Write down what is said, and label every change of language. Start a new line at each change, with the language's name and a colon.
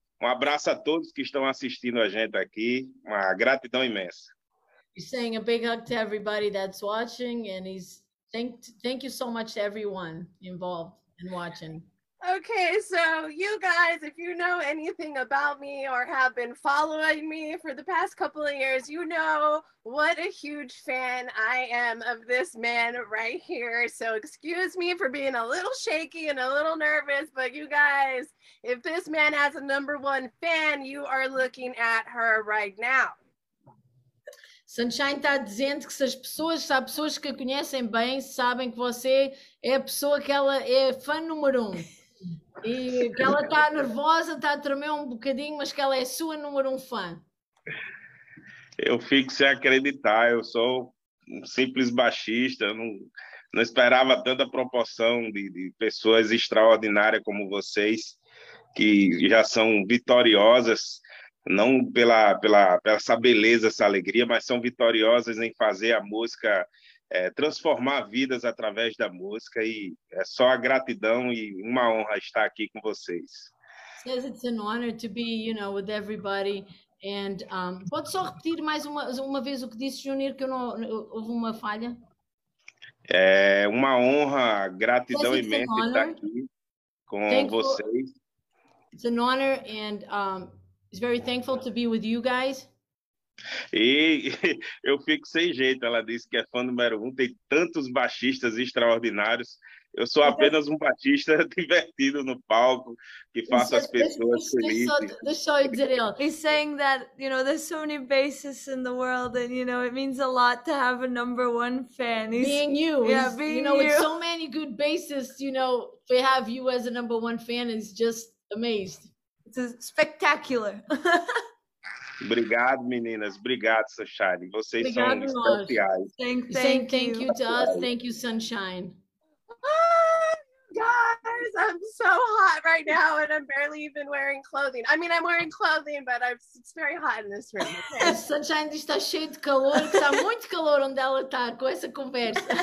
Portuguese: Um abraço a todos que estão assistindo a gente aqui. Uma gratidão imensa.
English: He's saying a big hug to everybody that's watching, and he's thank you so much to everyone involved in watching. Okay, so you guys, if you know anything about me or have been following me for the past couple of years, you know what a huge fan I am of this man right here. So excuse me for being a little shaky and a little nervous, but you guys, if this man has a number one fan, you are looking at her right now.
Portuguese: Sunshine está dizendo que se há pessoas que a conhecem bem, sabem que você é a pessoa que ela é fã número um. E que ela está nervosa, está a tremer um bocadinho, mas que ela é sua número um fã. Eu fico sem acreditar, eu sou um simples baixista, não esperava tanta proporção de pessoas extraordinárias como vocês, que já são vitoriosas, não pela essa beleza, essa alegria, mas são vitoriosas em fazer a música, transformar vidas através da música, e é só a gratidão e uma honra estar aqui com vocês.
English: Says it's an honor to be, you know, with everybody.
Portuguese: And pode só repetir mais uma vez o que disse, Junior, que eu não houve uma falha? É uma honra, gratidão imensa estar aqui com vocês.
English: It's an honor, and he's very thankful to be with you guys.
Portuguese: E eu fico sem jeito, ela disse que é fã número um, tem tantos baixistas extraordinários, eu sou apenas um baixista divertido no palco, que faço as pessoas felizes.
English: He's saying that, you know, there's so many bassists in the world, and, you know, it means a lot to have a number one fan. Being you, yeah, being you. You know, with so many good bassists, you know, to have you as a number one fan is just amazed. It's spectacular.
Portuguese: Obrigado, meninas. Obrigado, Sunshine. Vocês Obrigado são especiais.
English: Thank you to us. Thank you, Sunshine. Guys, I'm so hot right now, and I'm barely even wearing clothing. I mean, I'm wearing clothing, but it's very hot in this room. Okay?
Portuguese: Sunshine está cheio de calor, que está muito calor onde ela está com essa conversa.